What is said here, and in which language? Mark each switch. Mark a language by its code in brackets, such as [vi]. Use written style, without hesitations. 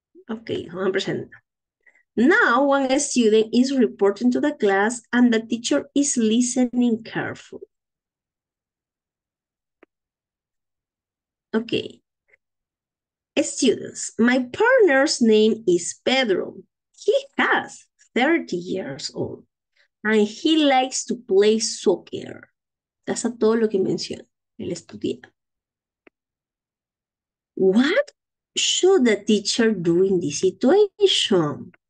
[en] Okay, [es] vamos a presentar. [en] Now, one student is reporting to the class and the teacher is listening carefully. Okay. Students, my partner's name is Pedro. He has 30 years old and he likes to play soccer. That's a [es] todo lo que menciona el estudiante. [en] What should the teacher do in this situation?